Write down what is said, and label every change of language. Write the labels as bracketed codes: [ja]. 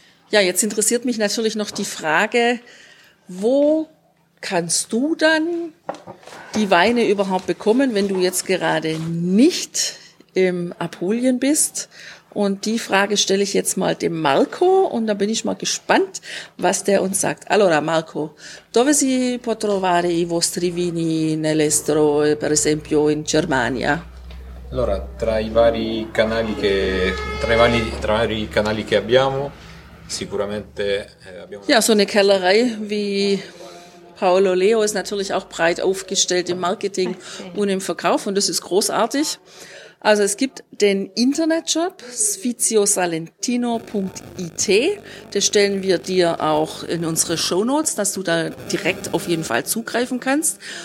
[de] Ja, jetzt interessiert mich natürlich noch die Frage, wo kannst du dann die Weine überhaupt bekommen, wenn du jetzt gerade nicht im Apulien bist? Und die Frage stelle ich jetzt mal dem Marco und da bin ich mal gespannt, was der uns sagt. [it] Allora Marco, dove si può trovare i vostri vini nell'estero, per esempio in Germania? Allora, tra i vari canali che abbiamo, sicuramente abbiamo... [de] Ja, so eine Kellerei wie Paolo Leo ist natürlich auch breit aufgestellt im Marketing und im Verkauf und das ist großartig. Also es gibt den Internetshop sfiziosalentino.it, das stellen wir dir auch in unsere Shownotes, dass du da direkt auf jeden Fall zugreifen kannst.